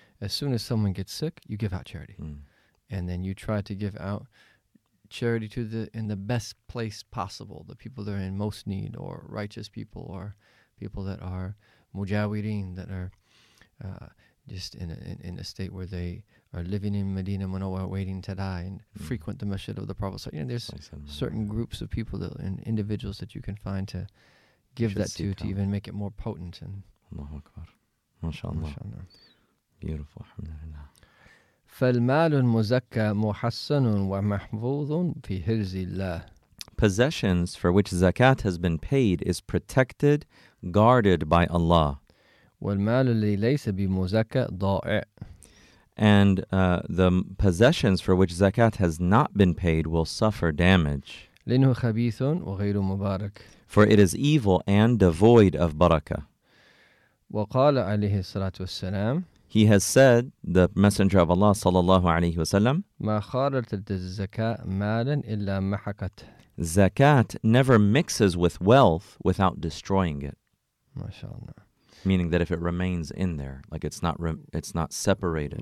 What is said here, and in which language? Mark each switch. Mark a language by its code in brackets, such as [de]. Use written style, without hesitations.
[en] As soon as someone gets sick, you give out charity. And then you try to give out charity to the in the best place possible, the people that are in most need, or righteous people, or people that are mujawirin, that are just in a state where they are living in Medina Munawwara waiting to die, and frequent the masjid of the Prophet. So, you know, there's certain groups of people that, and individuals that you can find to give that to, to even make it more potent. And [ar] Allahu Akbar. MashaAllah. MashaAllah. Beautiful. Alhamdulillah. فالمال المزكى محسن ومحفوظ في حفظ الله. [en] Possessions for which zakat has been paid is protected, guarded by Allah. [ar] والمال الذي ليس بمزكى ضائع. [en] And the possessions for which zakat has not been paid will suffer damage. [ar] لأنه خبيث وغير مبارك. [en] For it is evil and devoid of barakah. [ar] وقال عليه الصلاة والسلام. [en] He has said, the Messenger of Allah sallallahu alayhi wasallam, [ar] مَا خَارَتَ الزَّكَاءَ مَالًا إِلَّا مَحَكَتْ. [en] Zakat never mixes with wealth without destroying it. [ar] MashaAllah. [en] Meaning that if it remains in there, like it's not it's not separated.